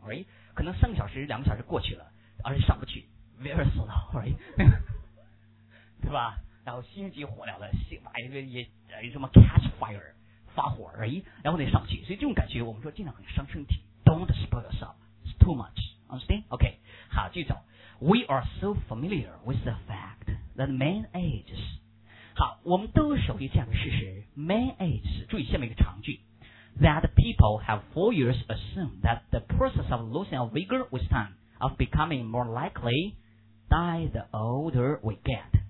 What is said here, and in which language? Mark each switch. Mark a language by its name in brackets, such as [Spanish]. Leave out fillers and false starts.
[Chinese] 哎，可能三个小时、两个小时过去了，而且上不去 ， [English] very slow， right？ [Chinese] 是吧？然后心急火燎的，把一个也什么 [English] catch fire [Chinese] 发火而已，然后得上去。所以这种感觉，我们说尽量很伤身体。 [English] Don't spoil yourself, it's too much. Understand? OK. [Chinese] 好，继续走。 [English] We are so familiar with the fact that man ages. [Chinese] 好，我们都熟悉这样的事实。 [English] Man ages. [Chinese] 注意下面一个长句 [English] ，that people have for years assumed that the process of losing our vigor with time of becoming more likely die the older we get.